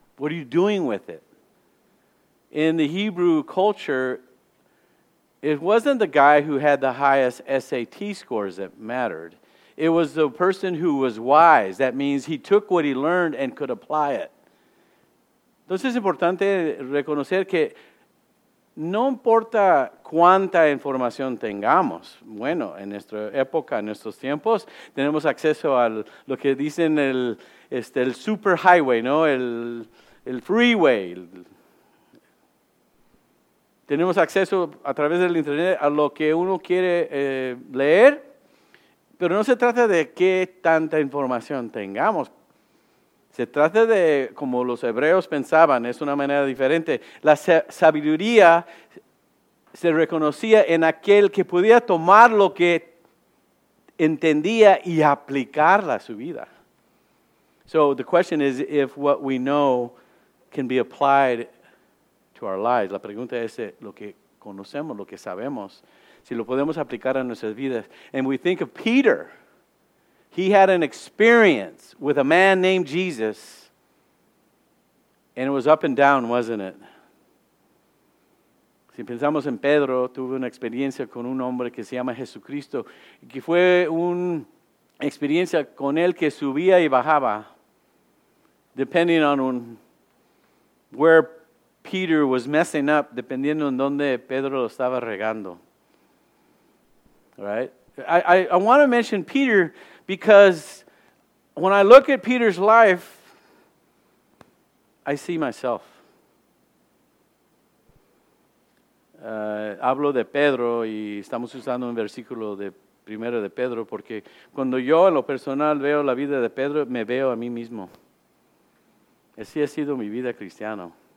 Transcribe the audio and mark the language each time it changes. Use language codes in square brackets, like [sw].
[en] What are you doing with it? In the Hebrew culture, it wasn't the guy who had the highest SAT scores that mattered. It was the person who was wise. That means he took what he learned and could apply it. [es] Entonces, es importante reconocer que no importa cuánta información tengamos. Bueno, en nuestra época, en nuestros tiempos, tenemos acceso a lo que dicen el superhighway, ¿no? El freeway. Tenemos acceso a través del internet a lo que uno quiere leer, pero no se trata de qué tanta información tengamos. Se trata de, como los hebreos pensaban, es una manera diferente. La sabiduría se reconocía en aquel que podía tomar lo que entendía y aplicarla a su vida. [en] So the question is if what we know can be applied to our lives. [es] La pregunta es lo que conocemos, lo que sabemos, si lo podemos aplicar a nuestras vidas. [en] And we think of Peter. He had an experience with a man named Jesus, and it was up and down, wasn't it? [es] Si pensamos en Pedro, tuvo una experiencia con un hombre que se llama Jesucristo, que fue una experiencia con él que subía y bajaba, [en] depending on where Peter was messing up, [es] dependiendo en donde Pedro lo estaba regando. [en] Right? I want to mention Peter. Because when I look at Peter's life, I see myself. [es] Hablo de Pedro y estamos usando un versículo de primero de Pedro porque cuando yo en lo personal veo la vida de Pedro, me veo a mí mismo. Así ha sido mi vida cristiana.